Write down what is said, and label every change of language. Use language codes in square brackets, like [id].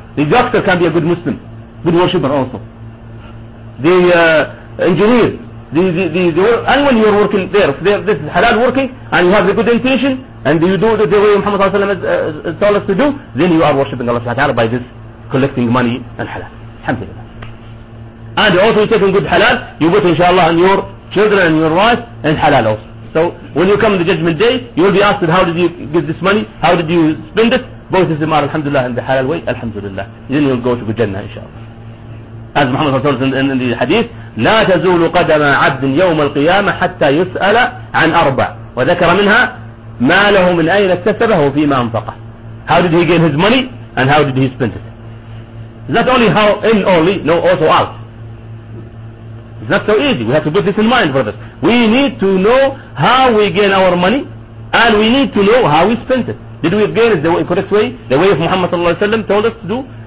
[en] The doctor can be a good Muslim, good worshipper also. The engineer, and when you are working there, if this is halal working and you have the good intention and you do it the way Muhammad has told us to do, then you are worshipping Allah subhanahu wa ta'ala by this collecting money and halal. Alhamdulillah. And also you're taking good halal, you put inshallah on your children and your wife and halal also. So when you come to the judgment day, you will be asked, how did you get this money? How did you spend it? Both of them are alhamdulillah in the halal way, alhamdulillah. Then you'll go to good Jannah inshallah. As Muhammad has told us in the hadith, [ar] لا تزول قدم عبد يوم القيامة حتى يسأل عن أربع وذكر منها ما له من أين اكتسبه وفيما أنفقه. [en] How did he gain his money and how did he spend it? It's not only how in only, no, also out. It's not so easy. We have to put this in mind, brothers. We need to know how we gain our money and we need to know how we spent it. Did we gain it the correct way? The way of Muhammad sallallahu alayhi wa sallam told us to do?